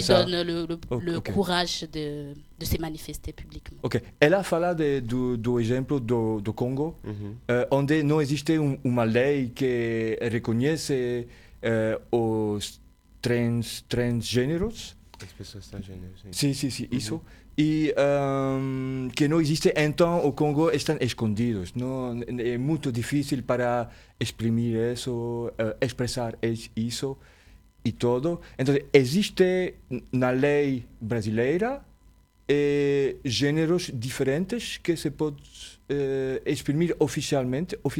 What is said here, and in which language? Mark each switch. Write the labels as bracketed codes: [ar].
[fr] Qu'est-ce qui lui donne le courage de se manifester publiquement? Ok. [pt] Ela fala do exemplo do Congo, uh-huh. Onde não existe uma lei que reconhece os transgêneros. As pessoas transgêneros. Sim, uh-huh. Isso. [es] Y que no existe en todo el Congo, están escondidos, ¿no? Es muy difícil para exprimir eso, expresar eso y todo. Entonces, existe una ley brasileira y géneros diferentes que se puede exprimir oficialmente.